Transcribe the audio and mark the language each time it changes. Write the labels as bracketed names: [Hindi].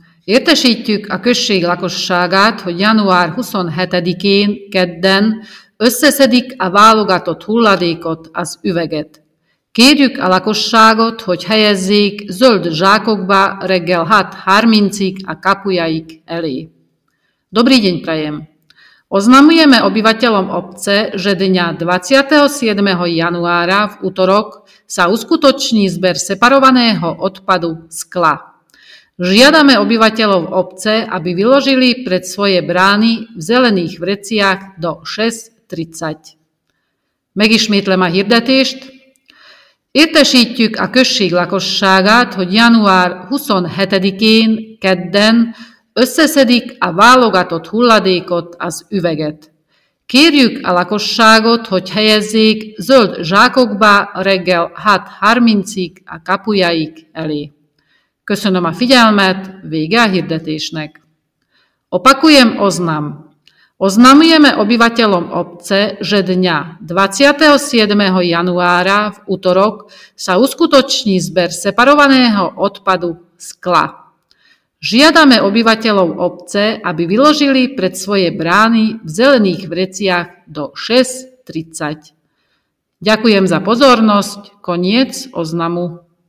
[Hungarian] Értesítjük a község lakosságát, hogy január 27-én, kedden összeszedik a válogatott hulladékot, az üveget. Kérjük a lakosságot, hogy helyezzék zöld zsákokba reggel 6:30-ig a kapujaik elé. [Slovak] Dobrý deň prajem! Oznamujeme obyvateľom obce, že dňa 27. januára v útorok sa uskutoční zber separovaného odpadu skla. Žiadame obyvateľov obce, aby vyložili pred svoje brány v zelených vreciach do 6:30. [Hungarian] Megismétlem a hirdetést. Értesítjük a község lakosságát, hogy január 27-én, kedden, összeszedik a válogatott hulladékot, az üveget. Kérjük a lakosságot, hogy helyezzék zöld zsákokba reggel 6:30-ig a kapujaik elé. Köszönöm a figyelmet, vége a hirdetésnek. [Slovak] Opakujem oznam. Oznamujeme obyvateľom obce, že dňa 27. januára v útorok sa uskutoční zber separovaného odpadu skla. Žiadame obyvateľov obce, aby vyložili pred svoje brány v zelených vreciach do 6:30. Ďakujem za pozornosť. Koniec oznamu.